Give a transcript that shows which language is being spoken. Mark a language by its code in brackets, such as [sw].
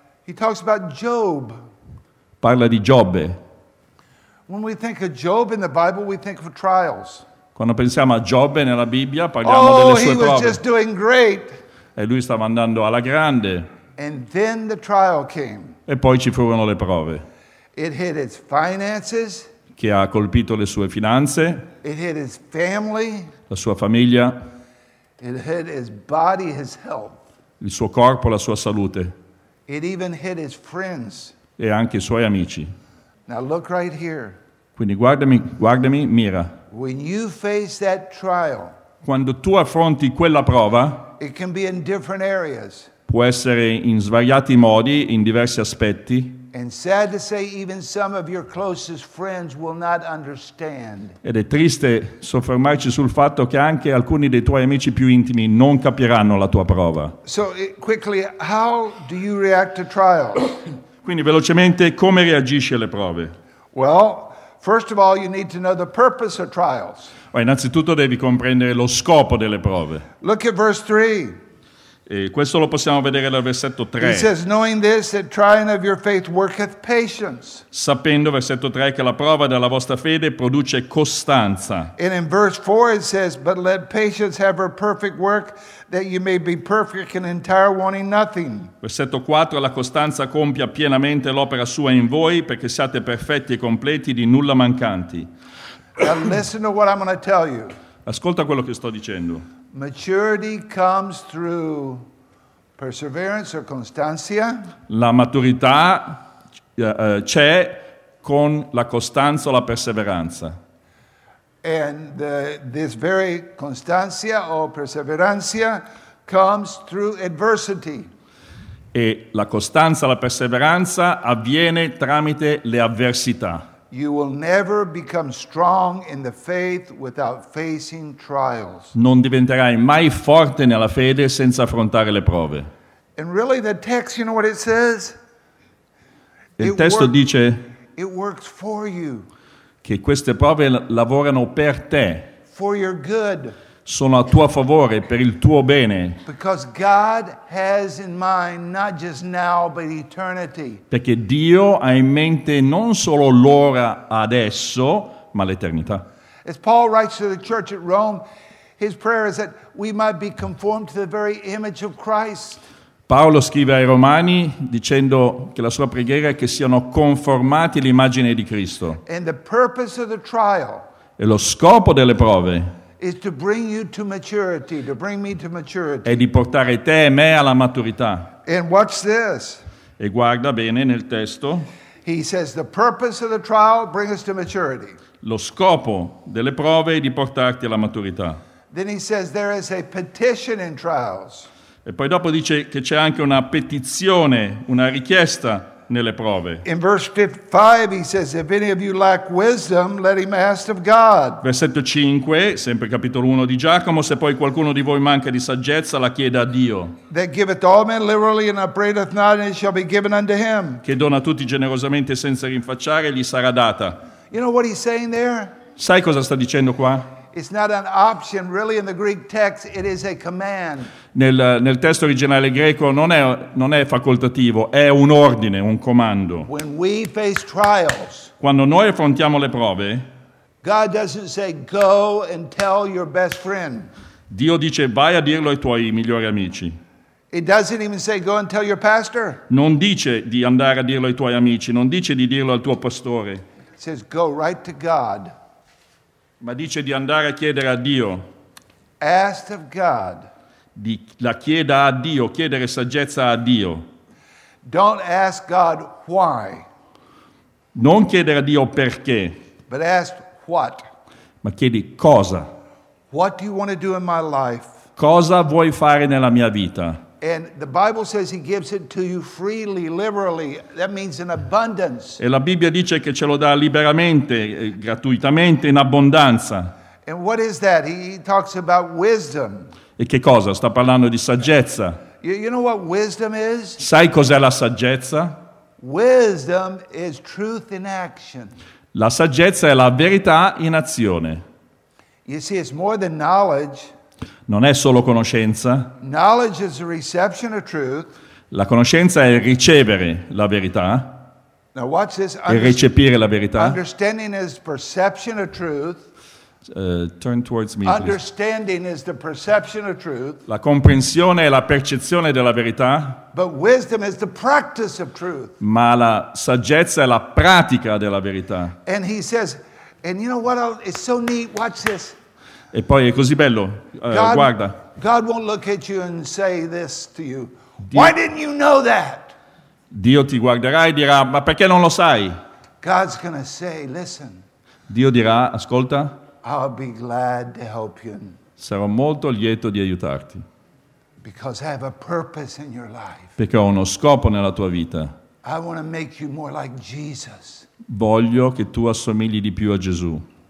[en] He talks about Job. [it] Parla di Giobbe. [en] When we think of Job in the Bible, we think of trials. [it] Quando pensiamo a Giobbe nella Bibbia, parliamo delle sue prove. [en] Oh, he was just doing great. [it] E lui stava andando alla grande. [en] And then the trial came. [it] E poi ci furono le prove. [en] It hit his finances. [it] Che ha colpito le sue finanze. [en] It hit his family. [it] La sua famiglia. [en] It hit his body, his health. [it] Il suo corpo, la sua salute. [en] It even hit his friends. [it] E anche i suoi amici. [en] Now look right here. [it] Quindi guardami, guardami, mira. [en] When you face that trial, [it] quando tu affronti quella prova, [en] it can be in different areas. [it] Può essere in svariati modi, in diversi aspetti. [en] And sad to say, even some of your closest friends will not understand. [it] Ed è triste soffermarci sul fatto che anche alcuni dei tuoi amici più intimi non capiranno la tua prova. [en] So, quickly, how do you react to trials? [it] Quindi, velocemente, come reagisci alle prove? [en] Well, first of all, you need to know the purpose of trials. [it] Beh, innanzitutto devi comprendere lo scopo delle prove. [en] Look at verse 3. [it] E questo lo possiamo vedere dal versetto 3. [en] He says, knowing this, that trying of your faith worketh patience. [it] Sapendo, versetto 3, che la prova della vostra fede produce costanza. [en] And in verse 4 it says, but let patience have her perfect work, that you may be perfect and entire, wanting nothing. [it] Versetto 4, la costanza compia pienamente l'opera sua in voi, perché siate perfetti e completi, di nulla mancanti. [en] Now listen to what I'm going to tell you. [it] Ascolta quello che sto dicendo. [en] Maturity comes through perseverance or constancia. [it] La maturità c'è con la costanza o la perseveranza. [en] And this very constancia or perseverancia comes through adversity. [it] E la costanza, la perseveranza avviene tramite le avversità. [en] You will never become strong in the faith without facing trials. [it] Non diventerai mai forte nella fede senza affrontare le prove. [en] And really the text, you know what it says? [it] Il testo dice, [en] it works for you. [it] Che queste prove lavorano per te. [en] For your good. [it] Sono a tuo favore, per il tuo bene. [en] Because God has in mind not just now, but eternity. [it] Perché Dio ha in mente non solo l'ora adesso, ma l'eternità. [en] As Paul writes to the church at Rome, his prayer is that we might be conformed to the very image of Christ. [it] Paolo scrive ai Romani dicendo che la sua preghiera è che siano conformati all'immagine di Cristo. [en] And the purpose of the trial. [it] E lo scopo delle prove. [en] Is to bring you to maturity, to bring me to maturity. [it] È di portare te e me alla maturità. [en] And watch this. [it] E guarda bene nel testo. [en] He says the purpose of the trial brings us to maturity. [it] Lo scopo delle prove è di portarti alla maturità. [en] Then he says there is a petition in trials. [it] E poi dopo dice che c'è anche una petizione, una richiesta nelle prove. [en] In verse 5 he says, if any of you lack wisdom, let him ask of God. [it] Versetto 5, sempre capitolo 1 di Giacomo, se poi qualcuno di voi manca di saggezza, la chieda a Dio. [en] That giveth all men liberally and upbraideth not, and it shall be given unto him. [it] Che dona tutti generosamente senza rinfacciare, gli sarà data. [en] You know what he's saying there? [it] Sai cosa sta dicendo qua? [en] It's not an option, really, in the Greek text, it is a command. [it] Nel testo originale greco non è facoltativo, è un ordine, un comando. [en] When we face trials, [it] quando noi affrontiamo le prove, [en] God doesn't say, go and tell your best friend. [it] Dio dice, vai a dirlo ai tuoi migliori amici. [en] It doesn't even say, go and tell your pastor. [it] Non dice di andare a dirlo ai tuoi amici, non dice di dirlo al tuo pastore. [en] says go right to God. [it] Ma dice di andare a chiedere a Dio. [en] Ask of God. [it] La chieda a Dio, chiedere saggezza a Dio. [en] Don't ask God why. [it] Non chiedere a Dio perché. [en] But ask what. [it] Ma chiedi cosa. [en] What do you want to do in my life? [it] Cosa vuoi fare nella mia vita? [en] And the Bible says he gives it to you freely, liberally. That means in abundance. [it] E la Bibbia dice che ce lo dà liberamente, gratuitamente, in abbondanza. [en] And what is that? He talks about wisdom. [it] E che cosa? Sta parlando di saggezza. [en] You know what wisdom is? [it] Sai cos'è la saggezza? [en] Wisdom is truth in action. [it] La saggezza è la verità in azione. [en] You see, it's more than knowledge. [it] Non è solo conoscenza. [en] Knowledge is the reception of truth. [it] La conoscenza è ricevere la verità. [en] Now watch this. [it] E recepire la verità. [en] Understanding is perception of truth. Turn towards me. Understanding please. Is the perception of truth. [it] La comprensione è la percezione della verità. [en] But wisdom is the practice of truth. [it] Ma la saggezza è la pratica della verità. [en] And he says, and you know what? It's so neat. Watch this. [it] E poi è così bello. Guarda. [en] God won't look at you and say this to you. Why didn't you know that? [it] Dio ti guarderà e dirà, ma perché non lo sai? [en] God's gonna say, listen. [it] Dio dirà, ascolta. [en] I'll be glad to help you. [it] Sarò molto lieto di aiutarti. [en] Because I have a purpose in your life. [it] Perché ho uno scopo nella tua vita. [en] I want to make you more like Jesus. [it] Voglio che tu assomigli di più a Gesù.